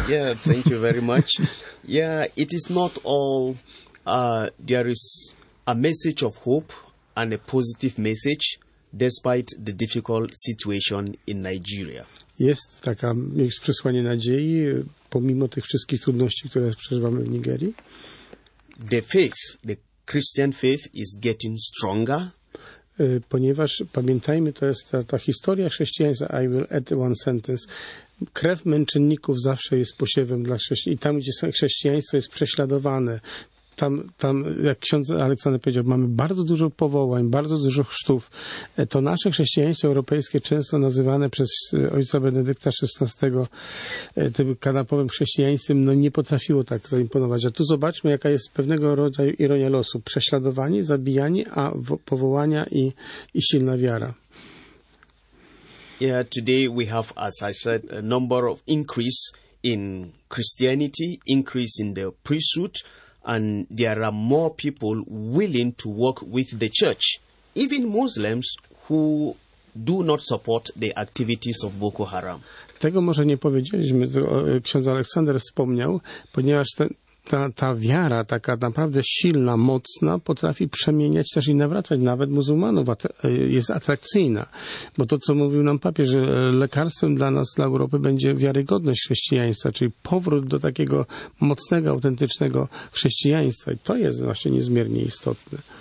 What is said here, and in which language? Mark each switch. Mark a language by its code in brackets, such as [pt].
[en] Yeah, thank you very much. Yeah, it is not all. There is a message of hope and a positive message despite the difficult situation in Nigeria. [pl] Jest taka, jest przesłanie nadziei pomimo tych wszystkich trudności, które przeżywamy w Nigerii. [en] The faith, the Christian faith is getting stronger. [pl] Ponieważ pamiętajmy, to jest ta historia chrześcijaństwa. [en] I will add one sentence. [pl] Krew męczenników zawsze jest posiewem dla chrześcijan. I tam, gdzie chrześcijaństwo jest prześladowane, tam, jak ksiądz Aleksander powiedział, mamy bardzo dużo powołań, bardzo dużo chrztów. To nasze chrześcijaństwo europejskie, często nazywane przez ojca Benedykta XVI tym kanapowym chrześcijaństwem, no nie potrafiło tak zaimponować. A tu zobaczmy, jaka jest pewnego rodzaju ironia losu. Prześladowanie, zabijanie, a powołania i silna wiara. [en] Yeah, today we have, as I said, a number of increase in Christianity, increase in the priesthood, and there are more people willing to work with the church, even Muslims who do not support the activities of Boko Haram. [pl] Tego może nie powiedzieliśmy, ksiądz Aleksander wspomniał, ponieważ ta wiara taka naprawdę silna, mocna, potrafi przemieniać też i nawracać nawet muzułmanów, jest atrakcyjna. Bo to, co mówił nam papież, że lekarstwem dla nas, dla Europy, będzie wiarygodność chrześcijaństwa, czyli powrót do takiego mocnego, autentycznego chrześcijaństwa. I to jest właśnie niezmiernie istotne.